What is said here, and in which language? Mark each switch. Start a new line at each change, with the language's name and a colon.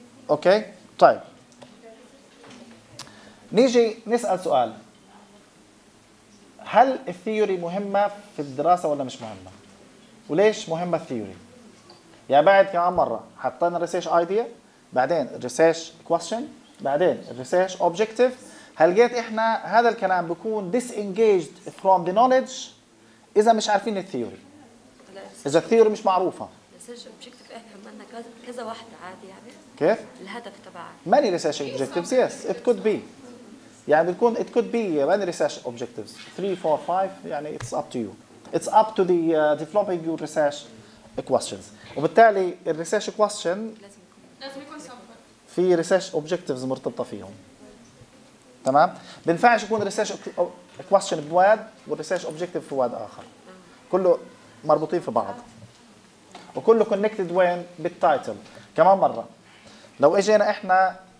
Arabic: اوكي طيب نيجي نسأل سؤال هل الثيوري مهمة في الدراسة ولا مش مهمة؟ وليش مهمة الثيوري؟ يعني بعد كمان مرة حطينا الريسيرش ايديا بعدين الريسيرش كويستشن بعدين الريسيرش اوبجكتيف هل لقيت احنا هذا الكلام بكون
English: disengaged from the knowledge
Arabic: اذا مش عارفين الثيوري اذا الثيوري مش معروفة الريسيرش اوبجكتيف اهم منها كذا واحدة عادي يعني كيف؟ الهدف تبعها
English: many research objectives yes it could be
Arabic: يعني بتكون
English: it could be many research objectives 3 4 5
Arabic: يعني
English: it's up to you it's up to the developing your research questions
Arabic: وبالتالي الريسيرش question لازم يكون في research objectives مرتبطة فيهم تمام بينفعش يكون research question بواد والريسيرش objective في واد آخر كله مربوطين في بعض وكله connected وين بالتايتل كمان مرة لو اجينا احنا